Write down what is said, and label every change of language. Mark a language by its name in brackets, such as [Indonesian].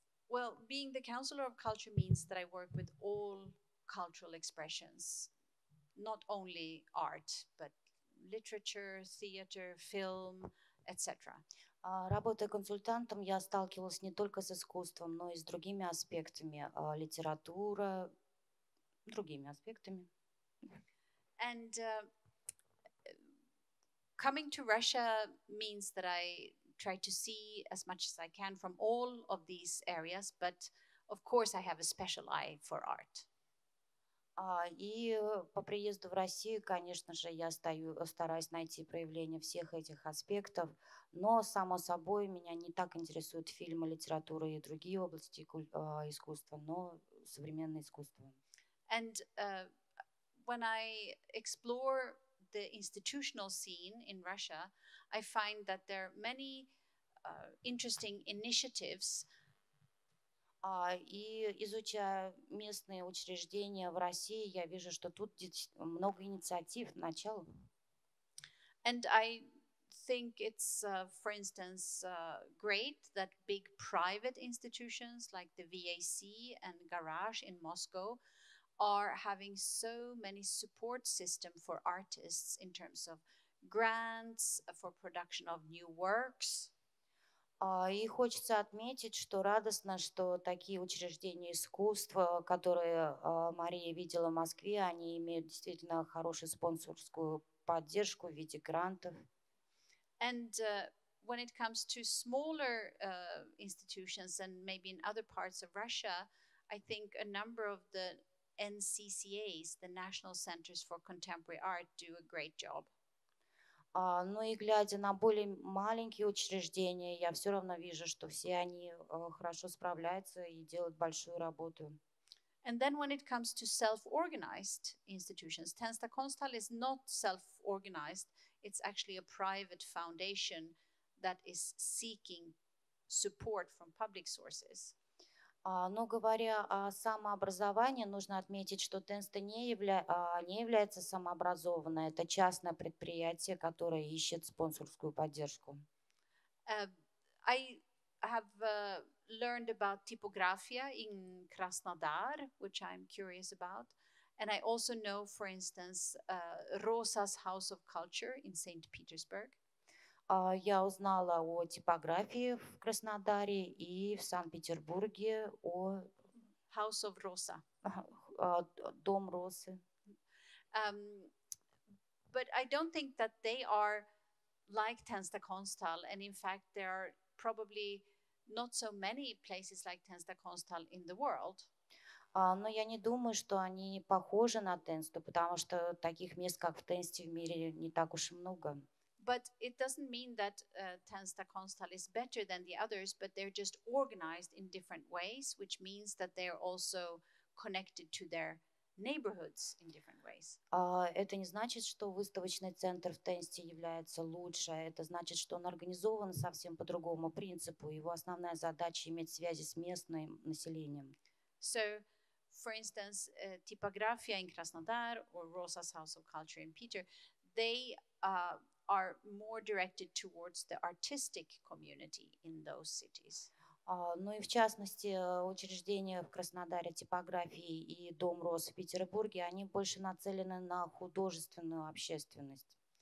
[English] Well, being the counselor of culture means that I work with all cultural expressions, not only art, but literature, theater, film, etc. [Russian] Работая консультантом, я сталкивалась не только с искусством, но и с другими аспектами, литература, другими аспектами. [English] And coming to Russia means that I try to see as much as I can from all of these areas, but of course I have a special eye for art. [Russian] И по приезду в Россию, конечно же, я стараюсь найти проявление всех этих аспектов, но, само собой, меня не так интересуют фильмы, литература и другие области искусства, но современное искусство. [English] And when I explore the institutional scene in Russia, I find that there are many interesting initiatives. [Russian] И изучая местные учреждения в России, я вижу, что тут много инициатив начал. [English] And I think it's, for instance, great that big private institutions like the VAC and Garage in Moscow are having so many support systems for artists in terms of grants for production of new works. [Russian] И хочется отметить, что радостно, что такие учреждения искусства, которые Мария видела в Москве, они имеют действительно хорошую спонсорскую поддержку в виде грантов. [English] And when it comes to smaller institutions and maybe in other parts of Russia, I think a number of the NCCAs, the National Centers for Contemporary Art, do a great job. [Russian] Ну и глядя на более маленькие учреждения, я все равно вижу, что все они хорошо справляются и делают большую работу. [English] And then when it comes to self-organized institutions, Tensta Konstal is not self-organized. It's actually a private foundation that is seeking support from public sources. [Russian] Но говоря о самообразовании, нужно отметить, что Тенста не является самообразованной. Это частное предприятие, которое ищет спонсорскую поддержку. [English] I have learned about typography in Krasnodar, which I'm curious about. And I also know, for instance, Rosa's House of Culture in St. Petersburg. [Russian] Я узнала о типографии в Краснодаре и в Санкт-Петербурге о [English] House of Rosa. [Russian] Дом Росы. [English] But I don't think that they are like Tensta Konstal, and in fact there are probably not so many places like Tensta Konstal in the world. [Russian] Но я не думаю, что они похожи на Тенсту, потому что таких мест, как в Тенсте, в мире не так уж и много. [English] But it doesn't mean that Tensta Konstal is better than the others, but they're just organized in different ways, which means that they're also connected to their neighborhoods in different ways. [Russian] Это не значит, что выставочный центр в Тенсте является лучше. Это значит, что он организован совсем по другому принципу. Его основная задача – иметь связи с местным населением. [English] So, for instance, типография in Krasnodar or Rosa's House of Culture in Peter, they are more directed towards the artistic community in those cities. [Russian] Ну и в частности, учреждения в Краснодаре, типографии и Дом Роз в Петербурге, они больше нацелены на художественную общественность.